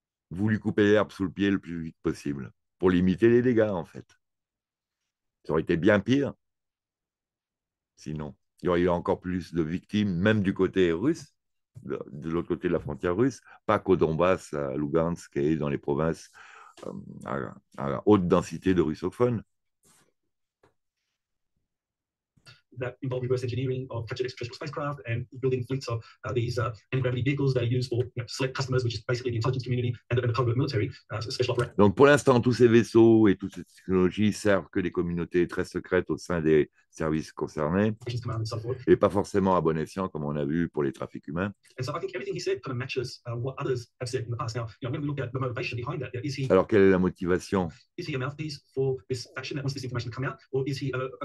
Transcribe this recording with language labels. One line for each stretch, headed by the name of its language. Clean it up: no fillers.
French: Vous lui coupez l'herbe sous le pied le plus vite possible pour limiter les dégâts, en fait. Ça aurait été bien pire. Sinon, il y aurait eu encore plus de victimes, même du côté russe, de l'autre côté de la frontière russe, pas qu'au Donbass, à Lugansk et dans les provinces à haute densité de russophones.
English: That involve reverse engineering of captured extraterrestrial spacecraft and building fleets of these anti-gravity vehicles that are used for, you know, select customers, which is basically the intelligence community and the covert military special operations.
French: Donc pour l'instant, tous ces vaisseaux et toutes ces technologies servent que des communautés très secrètes au sein des services concernés, et pas forcément à bon escient, comme on a vu pour les trafics humains.
English: And so I think everything he said kind of matches what others have said in the past. Now, you know, when we look at the motivation behind that, is he...
French: Alors quelle est la motivation?
English: Is he a mouthpiece for this faction that wants this information to come out, or is he a...